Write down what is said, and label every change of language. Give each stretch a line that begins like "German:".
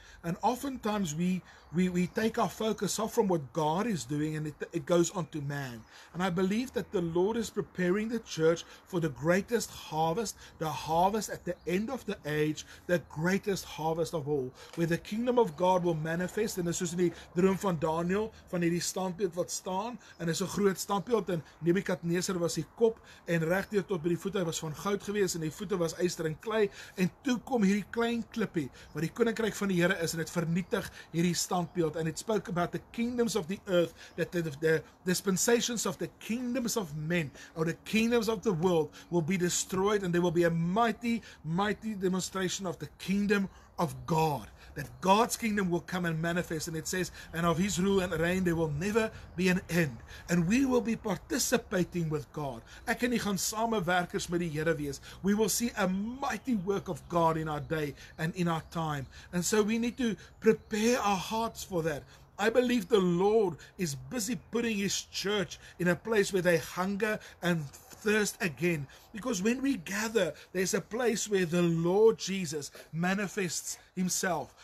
English: And oftentimes we take our focus off from what God is doing, and it goes on to man. And I believe that the Lord is preparing the church for the greatest harvest, the harvest at the end of the age, the greatest harvest of all, where the kingdom of God will manifest. And
Afrikaans: soos in die droom van Daniel, van hierdie standbeeld wat staan, en is 'n groot standbeeld, en Nebukadnezar was die kop, en regdeur tot by die voete was van goud gewees, en die voete was yster en klei, en toe kom hierdie klein klippie, wat die koninkryk van die Here is, en het vernietig hierdie standbeeld.
English: And it spoke about the kingdoms of the earth, that the dispensations of the kingdoms of men, or the kingdoms of the world, will be destroyed, and there will be a mighty, mighty demonstration of the kingdom of God. That God's kingdom will come and manifest, and it says, and of his rule and reign there will never be an end. And we will be participating with God.
Afrikaans: Ek en jy gaan samenwerkers met die Here wees.
English: We will see a mighty work of God in our day and in our time. And so we need to prepare our hearts for that. I believe the Lord is busy putting his church in a place where they hunger and thirst again. Because when we gather, there's a place where the Lord Jesus manifests himself.